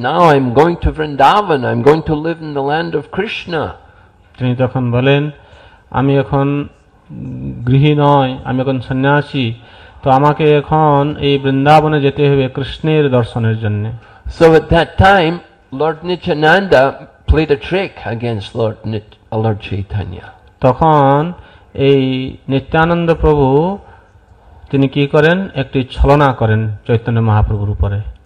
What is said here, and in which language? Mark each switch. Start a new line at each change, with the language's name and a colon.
English: Now I'm going to Vrindavan, I'm going to live in the land of Krishna.
Bangla: তিনি তখন বলেন, আমি এখন গৃহী নই, আমি এখন সন্ন্যাসী, তো আমাকে এখন এই বৃন্দাবনে যেতে হবে কৃষ্ণের দর্শনের জন্য.
English: So at that time, Lord Nityananda played a trick against Lord Chaitanya.
Bangla: তখন এই নিত্যানন্দ প্রভু তিনি কি করেন, একটি ছলনা করেন চৈতন্য মহাপ্রভুর উপরে.